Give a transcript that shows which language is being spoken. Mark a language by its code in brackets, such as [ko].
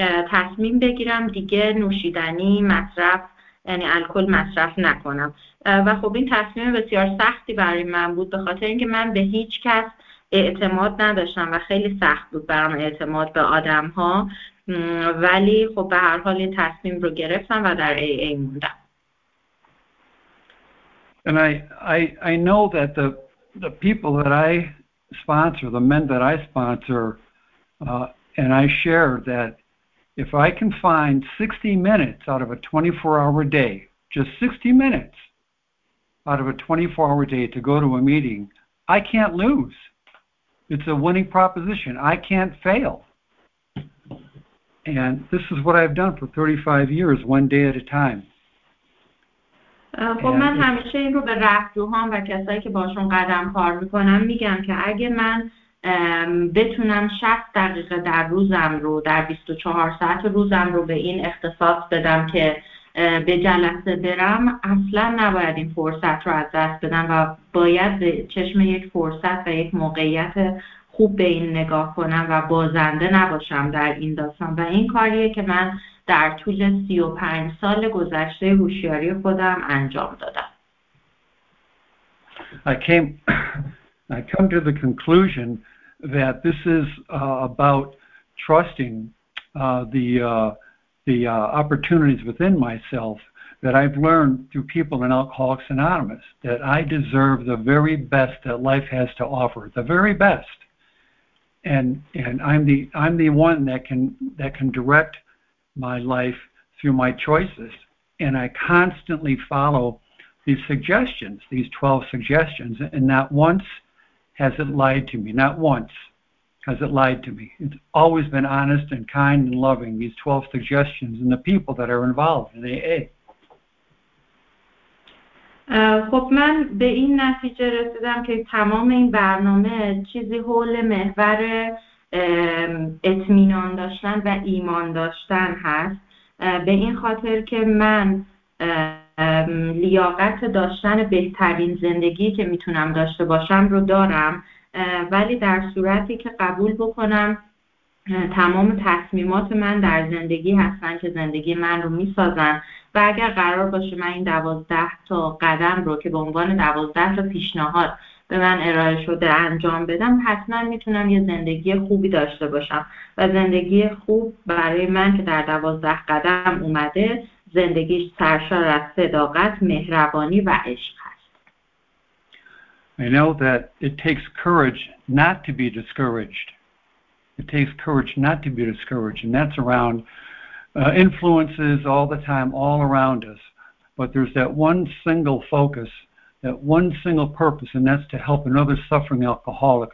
[fa] تصمیم بگیرم دیگه نوشیدنی مصرف یعنی الکل مصرف نکنم و خب این تصمیم بسیار سختی برای من بود به خاطر اینکه من به هیچ کس اعتماد نداشتم و خیلی سخت بود برام اعتماد به آدم ها ولی خب به هر حال این تصمیم رو گرفتم و در AA موندم. [en] And I know that the people that I sponsor, the men that I sponsor and I share that if I can find 60 minutes out of a 24-hour day, just 60 minutes out of a 24-hour day to go to a meeting, I can't lose. It's a winning proposition. I can't fail. And this is what I've done for 35 years, one day at a time. [fa] خب من همیشه این رو به رفیقام و کسایی که باشون قدم کار میکنم میگم که اگه من بتونم 60 دقیقه در روزم رو در 24 ساعت روزم رو به این اختصاص بدم که به جلسه برم اصلا نباید این فرصت رو از دست بدم و باید به چشم یک فرصت و یک موقعیت خوب به این نگاه کنم و بازنده نباشم در این داستان و این کاریه که من در طول 35 سال گذشته هوشیاری خودم انجام دادم. [en] I come to the conclusion that this is about trusting the opportunities within myself that I've learned through people in Alcoholics Anonymous, that I deserve the very best that life has to offer, the very best. And I'm the one that can direct my life through my choices. And I constantly follow these suggestions, these 12 suggestions, and not once has it lied to me, not once. Has it lied to me? It's always been honest and kind and loving, these 12 suggestions and the people that are involved in AA. [fa] خب من به این نتیجه رسیدم که تمام این برنامه چیزی حول محور اطمینان داشتن و ایمان داشتن هست. به این خاطر که من لیاقت داشتن بهترین زندگی که میتونم داشته باشم رو دارم ولی در صورتی که قبول بکنم تمام تصمیمات من در زندگی هستن که زندگی من رو می سازن و اگر قرار باشه من این 12 تا قدم رو که به عنوان 12 تا پیشنهاد به من ارائه شده انجام بدم، حتما میتونم یه زندگی خوبی داشته باشم و زندگی خوب برای من که در 12 قدم اومده زندگیش سرشار از صداقت، مهربانی و عشق هست. [en] I know that it takes courage not to be discouraged. It takes courage not to be discouraged, and that's around influences all the time, all around us. But there's that one single focus, that one single purpose, and that's to help another suffering alcoholic.